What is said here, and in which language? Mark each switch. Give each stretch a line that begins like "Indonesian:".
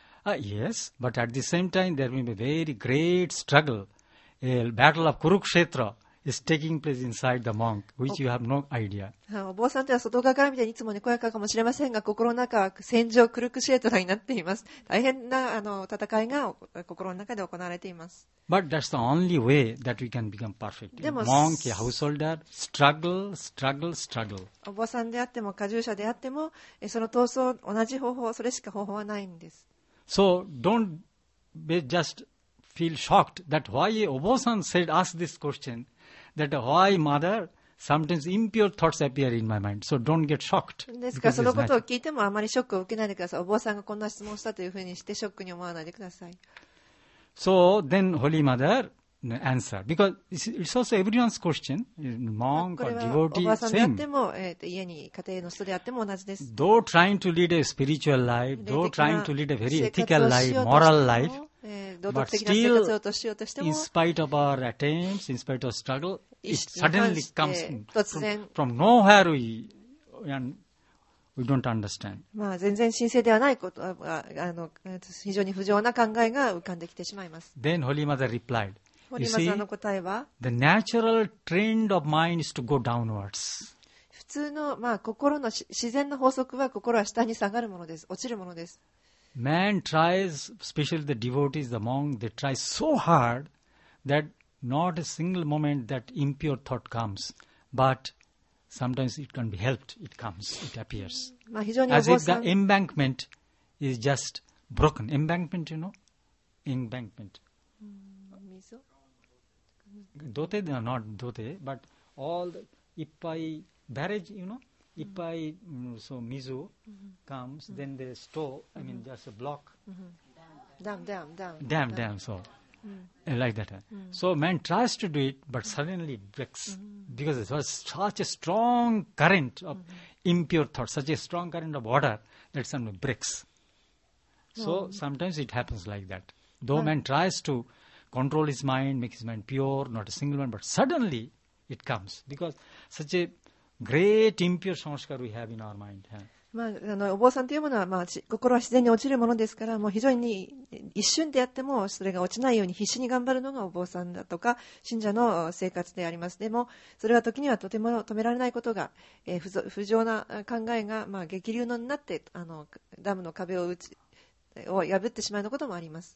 English: Yes, but at the same time, there will be a very great struggle. A battle of Kurukshetra. Is taking place inside the monk, which you have no idea.
Japanese: お坊さんというのは外側から見ていつもにこやかかもしれませんが、心の中は戦場クルクシェートラになっています。大変なあの戦いが心の中で行われています。
English: But that's the only way that we can become perfect.
Japanese: でも、
English: monk, householder, struggle.
Japanese: お坊さんであっても、過重者であっても、その闘争、同じ方法、それしか方法はないんです。
English: So, don't be just feel shocked that why
Japanese: お坊さん
English: said ask this question. That why mother sometimes impure thoughts appear in my mind. So don't get shocked.
Japanese: ですからそのことを聞いてもあまりショックを受けないでください。お坊さんがこんな質問をしたというふうにしてショックに思わないでください。
English: So then holy mother answer because it's also everyone's question. Monk or devotee same.
Japanese: これはお坊さんであっても家に家庭の人であっても同じです。
English: Though trying to lead a spiritual life, though trying to lead a very ethical life, moral life.
Japanese: 道徳的な生活をしようとしても、
English: in spite of our attempts, in spite of struggle, it suddenly comes from nowhere we don't understand.
Japanese: まあ全然神聖ではないことが非常に不浄な考えが浮かんできてしまいます。
English: Then Holy Mother replied, You see, the natural trend of mind is to go downwards.
Japanese: 普通のまあ心の自然の法則は心は下に下がるものです。落ちるものです。
English: Man tries, especially the devotees, the monk, they try so hard that not a single moment that impure thought comes. But sometimes it can be helped. It comes. It appears. As if the embankment is just broken. Embankment, you know? Embankment. 아니죠? Dote they are not dote, but all the
Japanese: ippai
English: barrage, you know, ippai so
Japanese: mizu
English: comes, then they store. I mean, just a block. Dam. So like that. So man tries to do it, but suddenly breaks because it was such a strong current of impure thought, such a strong current of water that suddenly breaks. So sometimes it happens like that. Though man tries to control his mind, make his mind pure, not a single one, but suddenly it comes because such a great impure samskar we have in our mind.
Japanese: まあ、あのお坊さんというものは、まあ、心は自然に落ちるものですから、もう非常に一瞬でやってもそれが落ちないように必死に頑張るのがお坊さんだとか信者の生活であります。でもそれは時にはとても止められないことが、不条な考えが、まあ、激流のになってあのダムの壁 を破ってしまうこともあります。